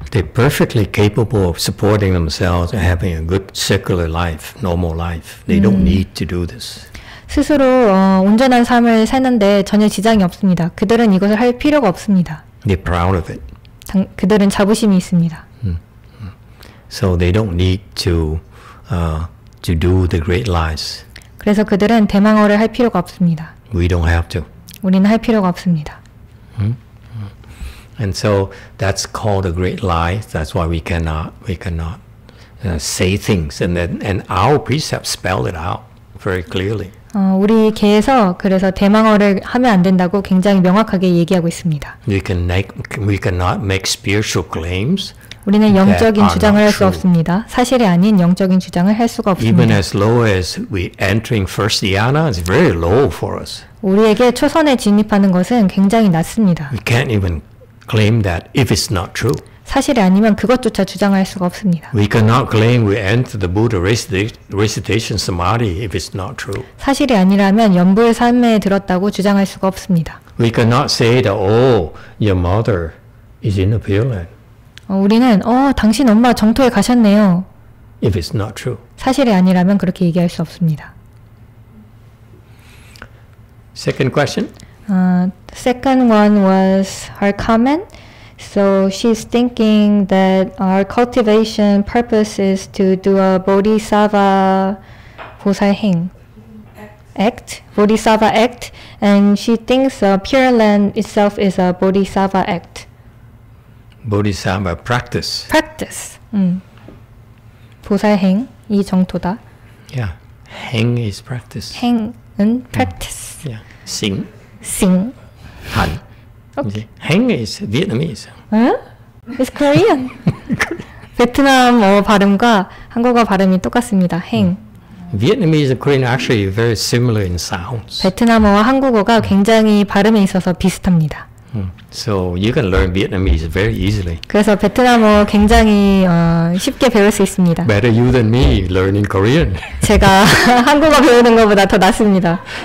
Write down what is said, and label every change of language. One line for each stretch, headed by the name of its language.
English: They're perfectly capable of supporting themselves and having a good secular life, normal life. They don't need to do this.
Korean: 스스로 온전한 삶을 사는데 전혀 지장이 없습니다. 그들은 이것을 할 필요가 없습니다.
English: They're proud of it.
Korean: 그들은 자부심이 있습니다.
English: So they don't need to do the great lies.
Korean: 그래서 그들은 대망어를 할 필요가 없습니다.
English: We don't have to.
Korean: 우리는 할 필요가 없습니다.
English: And so that's called a great lie. That's why we cannot say things and our precepts spell it out very clearly.
Korean: 우리 개에서 그래서 대망어를 하면 안 된다고 굉장히 명확하게 얘기하고 있습니다.
English: We cannot make spiritual claims.
Korean: 우리는 영적인 주장을 할 수 없습니다. 사실이 아닌 영적인 주장을 할 수가 없습니다.
English: Even as low as we entering first dhyana is very low for us.
Korean: 우리에게 초선에 진입하는 것은 굉장히 낮습니다.
English: We can't even claim that if it's not true.
Korean: 사실이 아니면 그것조차 주장할 수가 없습니다.
English: We cannot claim we entered the Buddha recitation samadhi if it's not true.
Korean: 사실이 아니라면 연불 삼매에 들었다고 주장할 수가 없습니다.
English: We cannot say that your mother is in the Pure Land.
Korean: 우리는 당신 엄마 정토에 가셨네요.
English: If it's not true.
Korean: 사실이 아니라면 그렇게 얘기할 수 없습니다.
English: Second question. Second one was her comment. So she's thinking that our cultivation purpose is to do a bodhisattva 보살행 act, bodhisattva act, and she thinks Pure Land itself is a bodhisattva act. Bodhisattva practice. Practice.
Korean: 보살행 이 정토다.
English: Yeah, 행 is practice.
Korean: 행은 practice.
English: Yeah. 싱. 싱. 한. 행 is Vietnamese. 응? It's Korean.
Korean: 베트남어 발음과 한국어 발음이 똑같습니다. 행.
English: Vietnamese and Korean are actually very similar in sounds.
Korean: 베트남어와 한국어가 굉장히 발음에 있어서 비슷합니다.
English: So you can learn Vietnamese very easily.
Korean: 그래서 베트남어 굉장히 쉽게 배울 수 있습니다.
English: Better you than me learning Korean.
Korean: 제가 한국어 배우는 것보다 더 낫습니다.